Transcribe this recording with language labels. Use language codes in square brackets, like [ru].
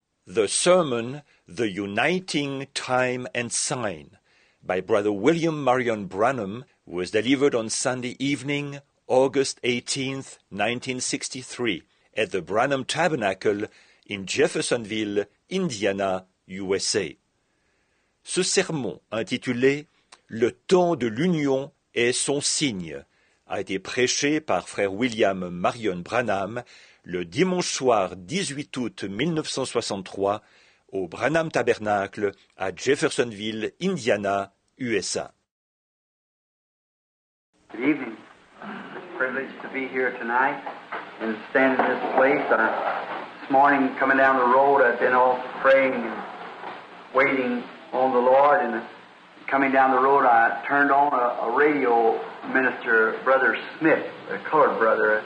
[en] the sermon, The Uniting Time and Sign, by Brother William Marion Branham, was delivered on Sunday evening, August 18, 1963, at the Branham Tabernacle in Jeffersonville, Indiana, USA. [fr] Ce sermon, intitulé « Le temps de l'union est son signe », a été prêché par Frère William Marion Branham le dimanche soir 18 août 1963 au Branham Tabernacle à Jeffersonville, Indiana, USA. [en] Good evening. Privilege to be here tonight and stand in this place. This morning, coming down the road, I've been all praying and waiting on the Lord. And coming down the road, I turned on a radio minister, Brother Smith, a colored brother.